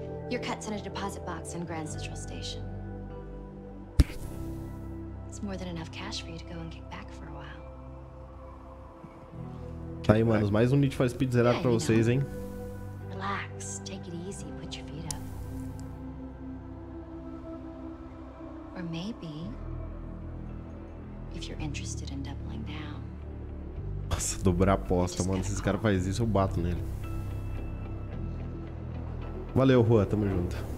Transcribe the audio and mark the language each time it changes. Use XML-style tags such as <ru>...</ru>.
<en>Your cut's in a deposit box in Grand Central Station. It's more than enough cash for you to go and kick back for a while.</en> <pt>Tá aí, manos, mais um Need for Speed zerado pra vocês, hein?</pt> <en>Relax, take it easy, put your feet up. Or maybe if you're interested in doubling down.</en> <pt>Nossa, dobrar a aposta, mano. Se esse cara faz isso, eu bato nele. Valeu, Juan, tamo junto.</pt>